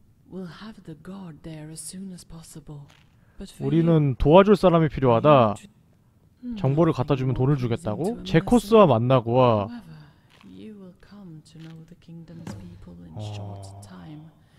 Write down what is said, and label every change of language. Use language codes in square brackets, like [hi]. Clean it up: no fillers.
[en] We'll have the guard there as soon as possible. But [ko] 우리는 도와줄 사람이 필요하다. 정보를 갖다 주면 돈을 주겠다고? 제코스와 만나고 와. [en] You will come to know the kingdom's people in short time.